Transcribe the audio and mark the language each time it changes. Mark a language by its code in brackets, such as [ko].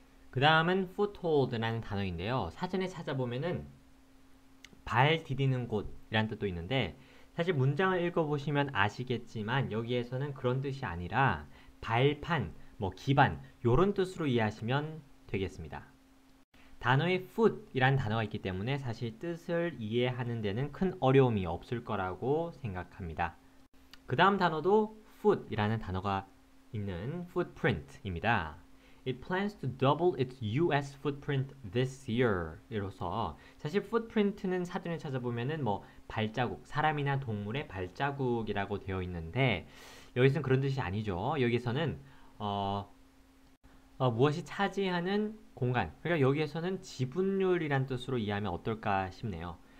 [ko] 그 다음은 foothold라는 단어인데요. 사전에 찾아보면은 발 디디는 곳이라는 뜻도 있는데, 사실 문장을 읽어보시면 아시겠지만 여기에서는 그런 뜻이 아니라 발판, 뭐 기반 요런 뜻으로 이해하시면 되겠습니다. 단어에 foot이라는 단어가 있기 때문에 사실 뜻을 이해하는 데는 큰 어려움이 없을 거라고 생각합니다. 그 다음 단어도 foot이라는 단어가 있는 footprint입니다. [en] It plans to double its US footprint this year. [ko] 이로써 사실 footprint는 사전에 찾아보면은 뭐 발자국, 사람이나 동물의 발자국이라고 되어 있는데, 여기서는 그런 뜻이 아니죠. 여기서는 무엇이 차지하는 공간, 그러니까 여기에서는 지분율이란 뜻으로 이해하면 어떨까 싶네요.